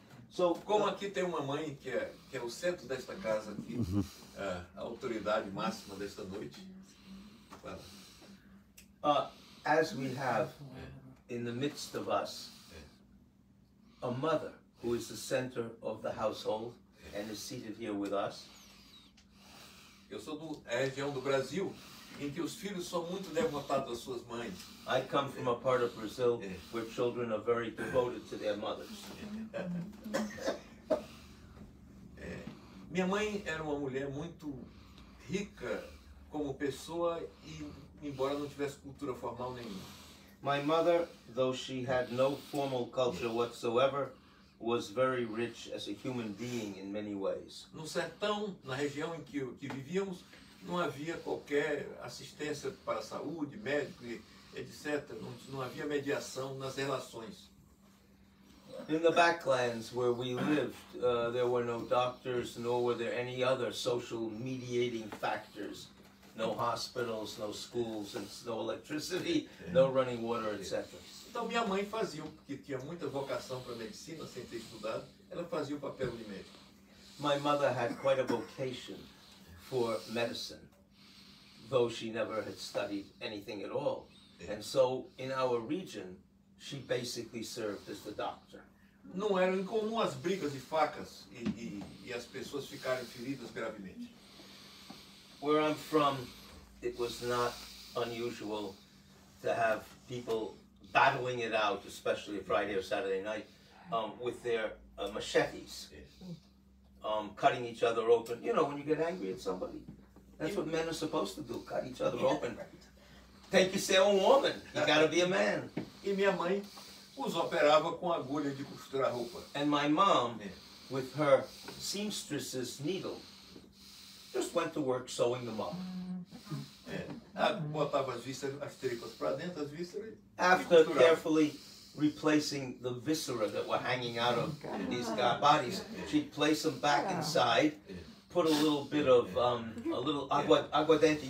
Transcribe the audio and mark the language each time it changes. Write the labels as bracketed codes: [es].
[pt] So, como aqui tem uma mãe que é o centro desta casa aqui, a autoridade máxima desta noite. [en] As we have in the midst of us, a mother who is the center of the household and is seated here with us. [pt] Eu sou do região do Brasil em que os filhos são muito devotados às suas mães. [en] I come from a part of Brazil where children are very devoted to their mothers. [pt] Minha mãe era uma mulher muito rica como pessoa e embora não tivesse cultura formal nenhuma. [en] My mother, though she had no formal culture whatsoever, was very rich as a human being in many ways. [pt] No sertão, na região em que vivíamos, não havia qualquer assistência para a saúde, médico, etc. Não havia mediação nas relações. [en] In the backlands where we lived, there were no doctors, nor were there any other social mediating factors. No hospitals, no schools, no electricity, no running water, etc. [pt] Então minha mãe fazia, porque tinha muita vocação para medicina sem ter estudado, ela fazia o papel de médico. [en] My mother had quite a vocation for medicine, though she never had studied anything at all. And so in our region, she basically served as the doctor. [pt] Não eram incomum as brigas de facas e as pessoas ficarem feridas gravemente. [en] Where I'm from, it was not unusual to have people battling it out, especially Friday or Saturday night, with their machetes, cutting each other open. You know, when you get angry at somebody, that's what men are supposed to do, cut each other open. [pt] Tem que ser [en] woman, you gotta be a man. [pt] E minha mãe os operava com agulha de costurar roupa. [en] And my mom, with her seamstress's needle, just went to work sewing them up. After carefully replacing the viscera that were hanging out of these bodies, she'd place them back inside, put a little bit of a little aguardente.